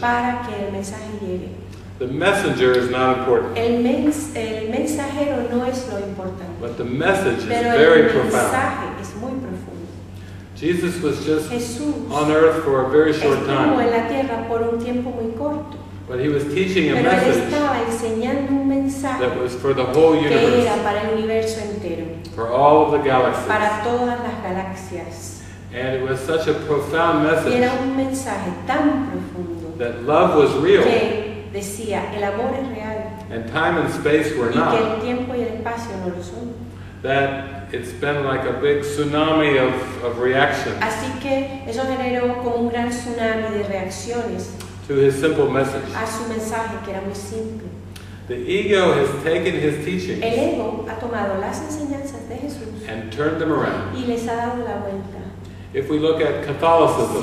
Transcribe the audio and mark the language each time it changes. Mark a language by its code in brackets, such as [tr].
[es] Para que el mensaje llegue. [en] The messenger is not important. [es] El mensajero no es lo importante. [en] But the message [es] pero [en] is very [es] el [en] profound. [es] Mensaje es muy profundo. [en] Jesus was just [es] Jesús [en] on earth for a very short [es] estuvo [en] time. [es] En la tierra por un tiempo muy corto. [en] But he was teaching a message that was for the whole universe, [es] que era para el universo entero, [en] for all of the galaxies, [es] para todas las galaxias. [en] And it was such a profound message, [es] era un mensaje tan profundo, [en] that love was real, [es] que decía, el amor es real, [en] and time and space were [es] y [en] not, [es] que el tiempo y el espacio no lo son. [en] That it's been like a big tsunami of reaction. [es] Así que eso generó como un gran tsunami de reacciones. [en] To his simple message. [es] A su mensaje, que era muy simple. [en] The ego has taken his teachings [es] el ego ha tomado las enseñanzas de Jesús [en] and turned them around. [es] Y les ha dado la vuelta. [en] If we look at Catholicism,